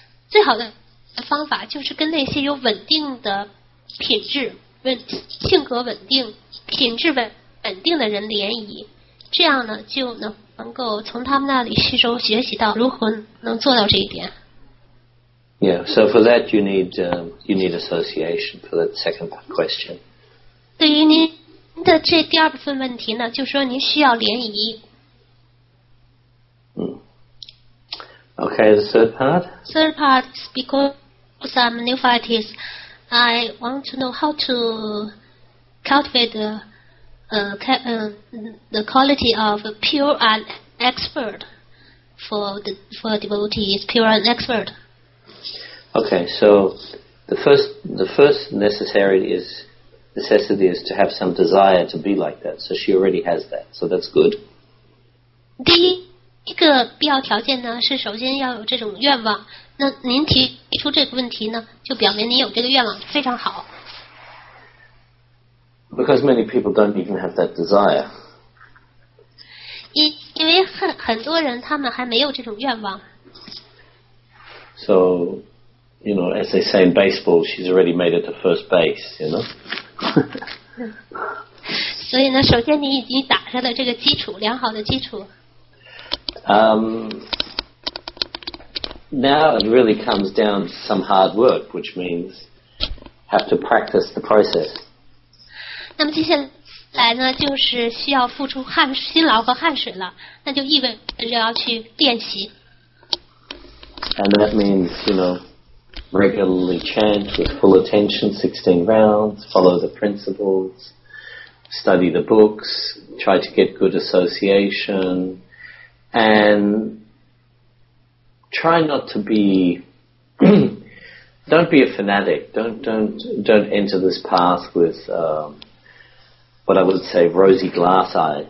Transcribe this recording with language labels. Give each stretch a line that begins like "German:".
Chinese: 最好的方法就是跟那些有稳定的品质、性格稳定、品质稳定的人联谊，这样呢就能够从他们那里吸收学习到如何能做到这一点。
English: Yeah, so for that you need association for that second question.
Chinese: 对于您的这第二部分问题呢，就是说您需要联谊。
English: Okay, the third part? Third part is because I'm a new artist. I want to know how to cultivate the quality of pure and expert for devotees, pure and expert. Okay, so the first necessity is to have some desire to be like that. So she already has that, so that's good.
Chinese: The 一个必要条件呢，是首先要有这种愿望。那您提出这个问题呢，就表明您有这个愿望，非常好。
English: Because many people don't even have that desire.
Chinese: 因为很多人他们还没有这种愿望。
English: So, you know, as they say in baseball, she's already made it to first base, you know.
Chinese: 所以呢，首先你已经打下了这个基础，良好的基础。
English: Now it really comes down to some hard work, which means have to practice the process.
Chinese: 那么接下来呢，就是需要付出辛劳和汗水了，那就意味着要去练习。
English: And that means, you know, regularly chant with full attention, 16 rounds, follow the principles, study the books, try to get good association, and try not to be don't be a fanatic, don't enter this path with what I would say rosy glasses.